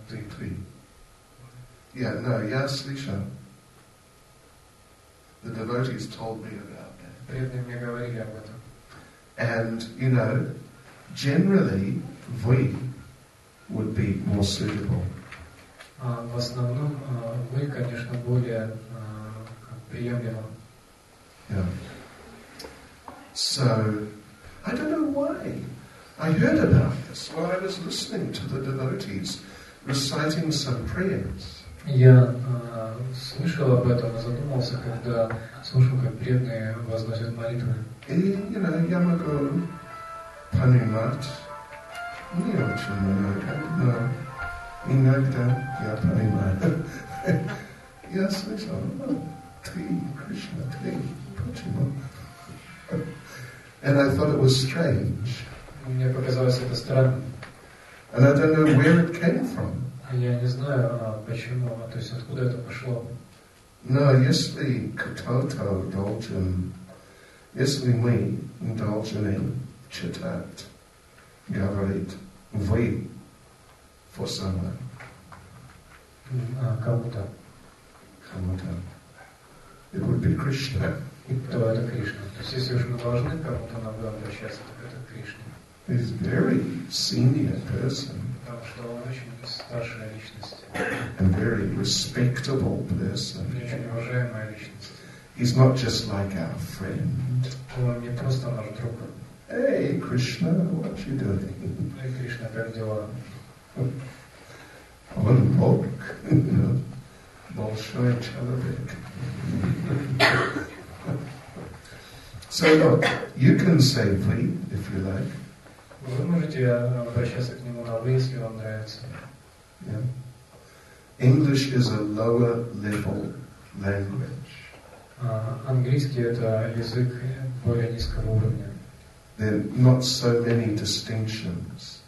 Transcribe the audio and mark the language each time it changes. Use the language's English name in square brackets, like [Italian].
[Russian] ты. Yeah, no, я слышал. [English] The devotees told me about that. And you know, generally we would be more suitable. [Russian] В основном вы, конечно, более приемлемо. [English] So I don't know why. I heard about this while I was listening to the devotees reciting some prayers. [Russian] Я слышал об этом и задумался, когда слушал, как преданные возносят молитвы. И, you know, я могу понимать, не очень много, но иногда я понимаю. Я слышал, ты, Кришна, ты, почему? [English] And I thought it was strange. [Russian] Мне показалось это странным. [English] And I don't know where it came from. [Russian] Я не знаю, почему, то есть откуда это пошло. Но если кто-то должен, если мы должны читать, говорить «вы» [English] for someone. [Russian] Кому-то. Кому-то. [English] It would be Krishna. [Russian] То это Кришна. То есть если уж мы должны кому-то нам обращаться, так это Кришна. [English] He's a very senior person. [Russian] Потому что он очень старшая личность. [English] And very respectable person. [Russian] И очень уважаемая личность. [English] He's not just like our friend. [Russian] Он не просто наш друг. [English] Hey, Krishna, what you doing? [Russian] Эй, Кришна, как дела? Он Бог. Большой человек. [English] So look, you can say we, if you like. [Russian] Вы можете обращаться к нему на вы, если вам нравится. [English] English is a lower level language. [Russian] Английский это язык более низкого уровня. [English] There are not so many distinctions.